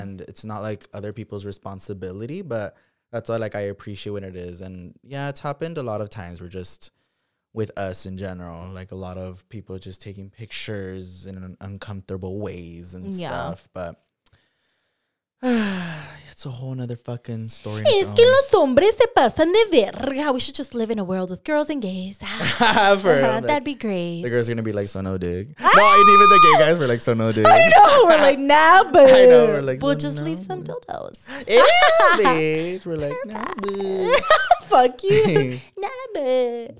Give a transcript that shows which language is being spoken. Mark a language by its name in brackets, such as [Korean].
[English] And it's not like other people's responsibility, but that's why like I appreciate when it is. And yeah, it's happened a lot of times. We're just with us in general, like a lot of people just taking pictures in uncomfortable ways and stuff. But it's a whole nother fucking story. [Spanish] Es que los hombres se pasan de verga. [English] We should just live in a world with girls and gays. That'd be great. The girls are gonna be like, so no dig. No, and even the gay guys were like, so no dig. I know. We're like, nah, but I know. We're like, we'll just leave some dildos. We're like, nah, but fuck you. Nah, but